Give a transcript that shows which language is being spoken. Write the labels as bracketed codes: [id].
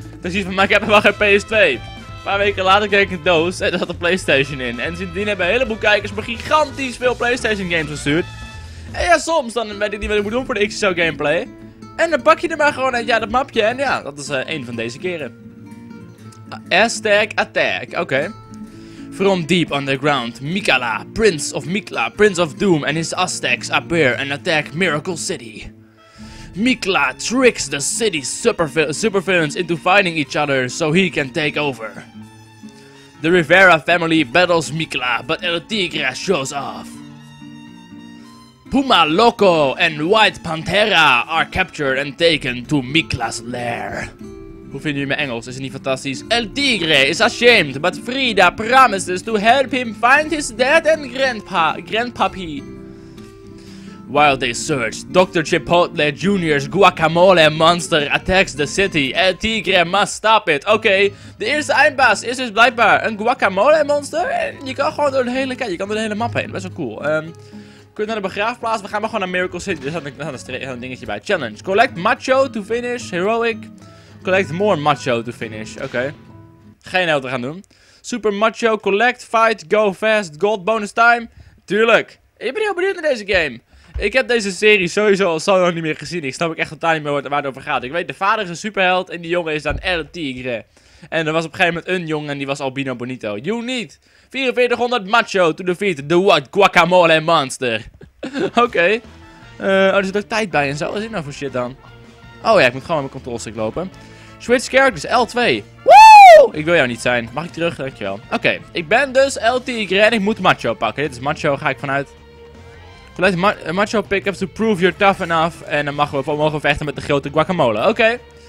[nl] Toen zei van, maar ik heb helemaal geen PS2. Een paar weken later kreeg ik een doos en er zat een PlayStation in. En sindsdien hebben een heleboel kijkers me gigantisch veel PlayStation games gestuurd. En ja, soms dan weet ik niet wat ik moet doen voor de XXL gameplay. En dan pak je er maar gewoon uit, ja, dat mapje. En ja, dat is een van deze keren. Aztec Attack, oké. Okay. [en] From deep underground, Mikala, Prince of Mikla, Prince of Doom, and his Aztecs appear and attack Miracle City. Mikla tricks the city's supervillains into fighting each other so he can take over. The Rivera family battles Mikla, but El Tigre shows off. Puma Loco and White Pantera are captured and taken to Mikla's lair. [nl] Hoe vinden jullie mijn Engels? Is het niet fantastisch? [en] El Tigre is ashamed, but Frida promises to help him find his dad and grandpappy. While they search, Dr. Chipotle Jr.'s guacamole monster attacks the city. El Tigre must stop it. [nl] Oké, de eerste eindbaas is dus blijkbaar een guacamole monster. En je kan gewoon door de hele, je kan door de hele map heen. Best wel cool. Kunt naar de begraafplaats, we gaan maar gewoon naar Miracle City. Dus daar staat een dingetje bij. [en] Challenge. Collect macho to finish. Heroic. Collect more macho to finish. Oké. [nl] Geen idee wat we gaan doen. [en] Super macho. Collect, fight, go fast, gold, bonus time. Tuurlijk. [nl] Ik ben heel benieuwd naar deze game. Ik heb deze serie sowieso al zo nog niet meer gezien. Ik snap ook echt totaal niet meer waar het over gaat. Ik weet, de vader is een superheld en die jongen is dan El Tigre. En er was op een gegeven moment een jongen en die was Albino Bonito. [en] You need 4400 macho to defeat the what guacamole monster. [nl] Oké. Oh, er zit ook tijd bij en zo. Wat is dit nou voor shit dan? Oh ja, ik moet gewoon met mijn control stick lopen. [en] Switch characters, L2. [nl] Woo! Ik wil jou niet zijn. Mag ik terug? Dankjewel. Oké. Ik ben dus El Tigre en ik moet macho pakken. Dit is macho, ga ik vanuit. [en] Collect macho pickups to prove you're tough enough. [nl] En dan mogen we vanmorgen vechten met de grote guacamole. Oké.